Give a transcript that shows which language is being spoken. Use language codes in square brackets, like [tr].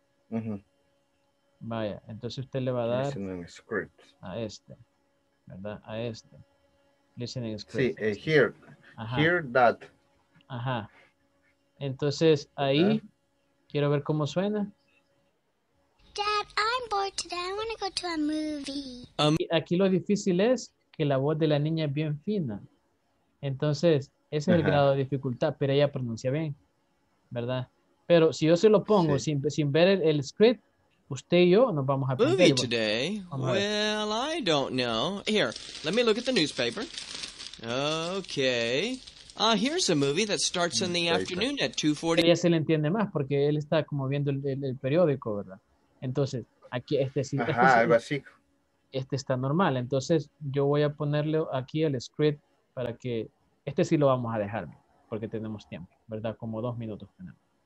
[es] Uh-huh. Vaya, entonces usted le va a dar [en] listening script. [es] A este, ¿verdad? A este. Listening script. [en] Sí, here. Ajá. Hear that. Ajá. [es] Entonces, ahí, quiero ver cómo suena. [en] Dad, I'm bored today. I want to go to a movie. [es] Aquí lo difícil es que la voz de la niña es bien fina. Entonces, ese es el grado de dificultad, pero ella pronuncia bien, ¿verdad? Pero si yo se lo pongo sin ver el script, usted y yo nos vamos a aprender. [en] Movie today? Well, I don't know. Here, let me look at the newspaper. Okay. Here's a movie that starts in the afternoon at 2:40. [es] Ella se le entiende más porque él está como viendo el periódico, ¿verdad? Entonces, aquí este sí. Ajá, este, algo así. Este está normal. Entonces, yo voy a ponerle aquí el script para que... Este sí lo vamos a dejar porque tenemos tiempo, ¿verdad? Como 2 minutos tenemos.